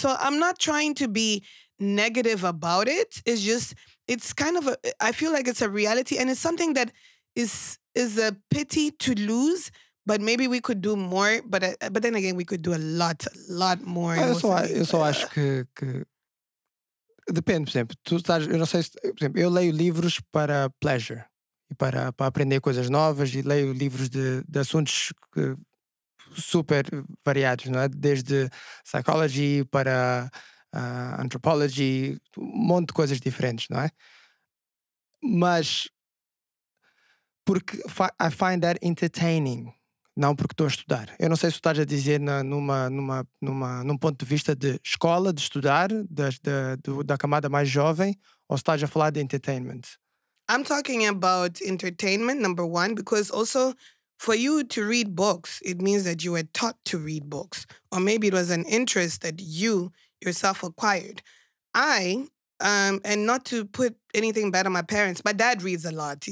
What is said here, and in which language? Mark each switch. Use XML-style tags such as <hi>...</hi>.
<en>So I'm not trying to be negative about it. It's just, it's kind of I feel like it's a reality, and it's something that is a pity to lose, but maybe we could do more. But then again, we could do a lot more.</en> <pt>Eu só acho que depende, por exemplo. Tu estás, eu não sei se, por exemplo, eu leio livros para pleasure e para aprender coisas novas, e leio livros de assuntos que, super variados, não é? Desde psychology para anthropology, um monte de coisas diferentes, não é? Mas porque</pt> <en>I find that entertaining,</en> <pt>não porque estou a estudar. Eu não sei se tu estás a dizer num ponto de vista de escola, de estudar, da camada mais jovem, ou se estás a falar de entertainment.</pt> <en>I'm talking about entertainment, number one, because also for you to read books, it means that you were taught to read books. Or maybe it was an interest that you yourself acquired. And not to put anything bad on my parents, my dad reads a lot.</en>